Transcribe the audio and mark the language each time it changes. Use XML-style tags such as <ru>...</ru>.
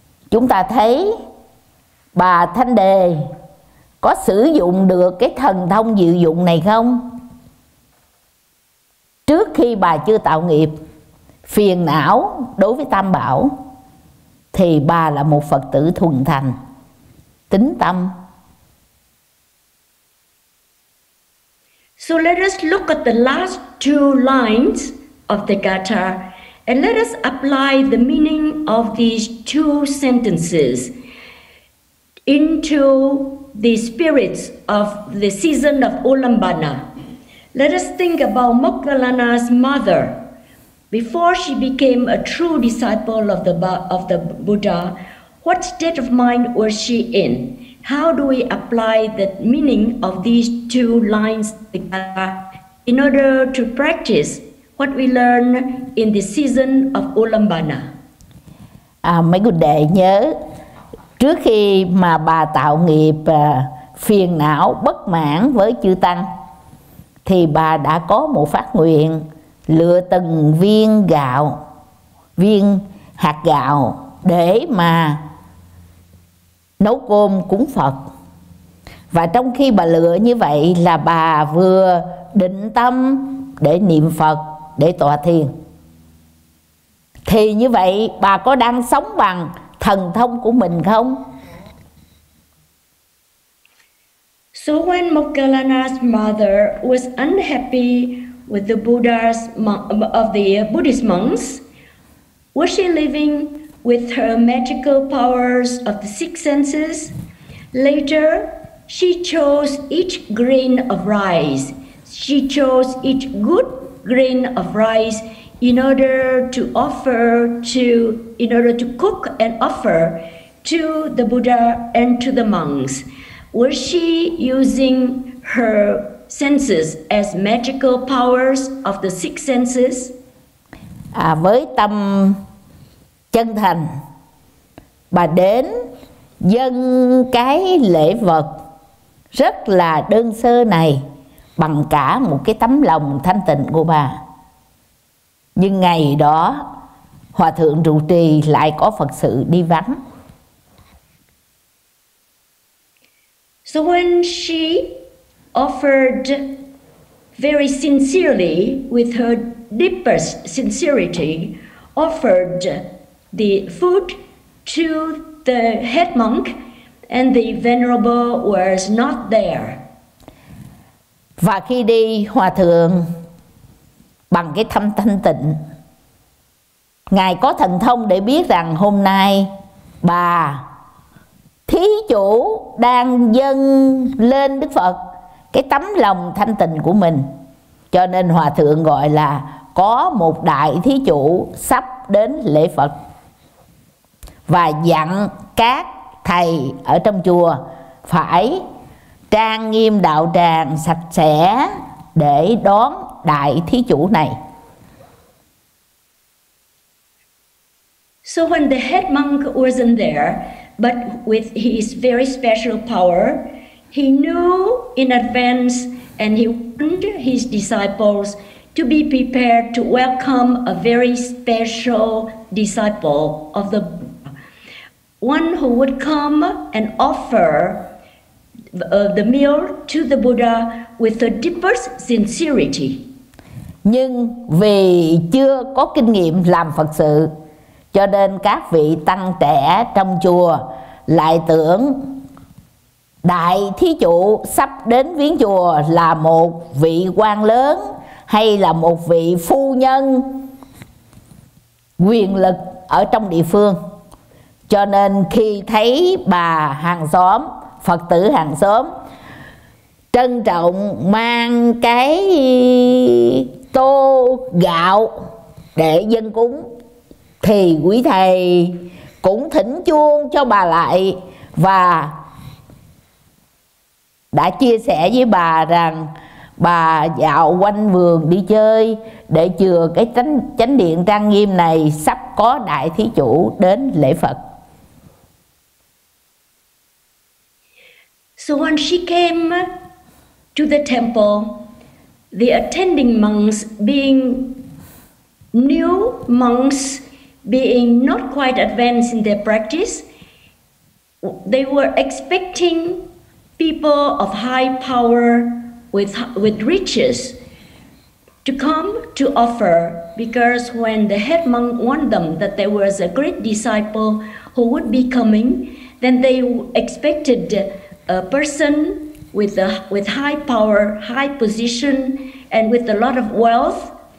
<vi>Chúng ta thấy bà Thanh Đề có sử dụng được cái thần thông diệu dụng này không? Trước khi bà chưa tạo nghiệp phiền não đối với Tam Bảo thì bà là một Phật tử thuần thành, tín tâm.</vi> <en>So let us look at the last two lines of the gatha and let us apply the meaning of these two sentences into the spirits of the season of Ulambana. Let us think about Moggallana's mother. Before she became a true disciple of the Buddha, what state of mind was she in? How do we apply the meaning of these two lines together in order to practice what we learn in the season of Ulambana?</en> <vi>Mấy cô đệ nhớ, trước khi mà bà tạo nghiệp phiền não bất mãn với chư Tăng, thì bà đã có một phát nguyện lựa từng viên gạo, viên hạt gạo để mà nấu cơm cúng Phật. Và trong khi bà lựa như vậy là bà vừa định tâm để niệm Phật, để tọa thiền. Thì như vậy bà có đang sống bằng thần thông của mình không?</vi> <en>So when Moggallana's mother was unhappy with the Buddha's of the Buddhist monks, was she living with her magical powers of the six senses? Later, she chose each grain of rice. She chose each good grain of rice in order to cook and offer to the Buddha and to the monks. Was she using her senses as magical powers of the six senses?</en> <vi>Với tâm chân thành, bà đến dâng cái lễ vật rất là đơn sơ này bằng cả một cái tấm lòng thanh tịnh của bà. Nhưng ngày đó hòa thượng trụ trì lại có Phật sự đi vắng.</vi> <en>So when she offered very sincerely, with her deepest sincerity, offered the food to the head monk, and the venerable was not there.</en> <vi>Và khi đi, hòa thượng bằng cái tâm thanh tịnh, ngài có thần thông để biết rằng hôm nay bà thí chủ đang dâng lên Đức Phật cái tấm lòng thanh tịnh của mình, cho nên hòa thượng gọi là có một đại thí chủ sắp đến lễ Phật và dặn các thầy ở trong chùa phải trang nghiêm đạo tràng sạch sẽ để đón đại thí chủ này.</vi> <en>So when the head monk wasn't there, but with his very special power, he knew in advance and he warned his disciples to be prepared to welcome a very special disciple of the Buddha, one who would come and offer the meal to the Buddha with the deepest sincerity.</en> <vi>Nhưng vì chưa có kinh nghiệm làm Phật sự, cho nên các vị tăng trẻ trong chùa lại tưởng đại thí chủ sắp đến viếng chùa là một vị quan lớn hay là một vị phu nhân quyền lực ở trong địa phương. Cho nên khi thấy bà hàng xóm, Phật tử hàng xóm trân trọng mang cái tô gạo để dâng cúng, thì quý thầy cũng thỉnh chuông cho bà lại và đã chia sẻ với bà rằng bà dạo quanh vườn đi chơi để chừa cái chánh điện trang nghiêm này, sắp có đại thí chủ đến lễ Phật.</vi> <en>So when she came to the temple, the attending monks being new monks, being not quite advanced in their practice, they were expecting people of high power with riches to come to offer, because when the head monk warned them that there was a great disciple who would be coming, then they expected a person with high power, high position, and with a lot of wealth.</en>